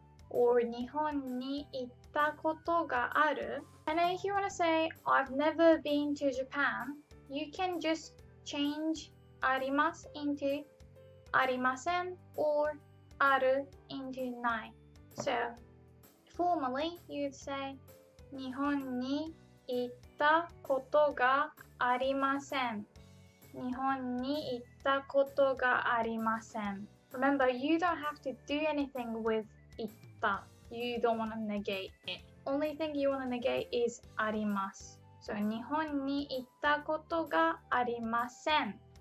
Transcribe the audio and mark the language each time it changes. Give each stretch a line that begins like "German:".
Japanese: Or 日本に行ったことがある?
English: And if you want to say, I've never been to Japan, you can just change arimasu into arimasen or aru into nai. So, formally, you'd say,
Japanese: 日本に行ったことがありません。日本に行ったことがありません。
English: Remember, you don't have to do anything with 行った. You don't want to negate it. Only thing you want to negate is arimasu. So,
Japanese: 日本に行ったことがありません.